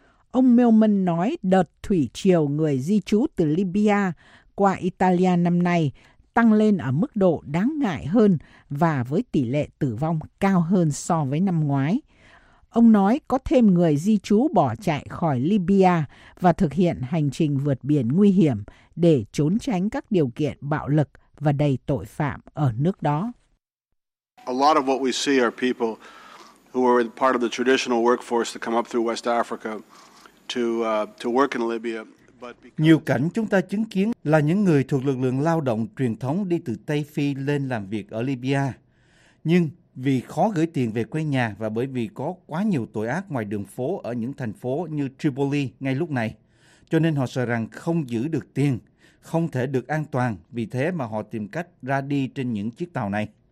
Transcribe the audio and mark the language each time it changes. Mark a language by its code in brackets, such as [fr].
[vi] Ông Millman nói đợt thủy triều người di trú từ Libya qua Italia năm nay tăng lên ở mức độ đáng ngại hơn và với tỷ lệ tử vong cao hơn so với năm ngoái. Ông nói có thêm người di trú bỏ chạy khỏi Libya và thực hiện hành trình vượt biển nguy hiểm để trốn tránh các điều kiện bạo lực và đầy tội phạm ở nước đó. [en] A lot of what we see are people who are part of the traditional workforce that come up through West Africa to work in Libya. [vi] Nhiều cảnh chúng ta chứng kiến là những người thuộc lực lượng lao động truyền thống đi từ Tây Phi lên làm việc ở Libya. Nhưng vì khó gửi tiền về quê nhà và bởi vì có quá nhiều tội ác ngoài đường phố ở những thành phố như Tripoli ngay lúc này, cho nên họ sợ rằng không giữ được tiền, không thể được an toàn, vì thế mà họ tìm cách ra đi trên những chiếc tàu này.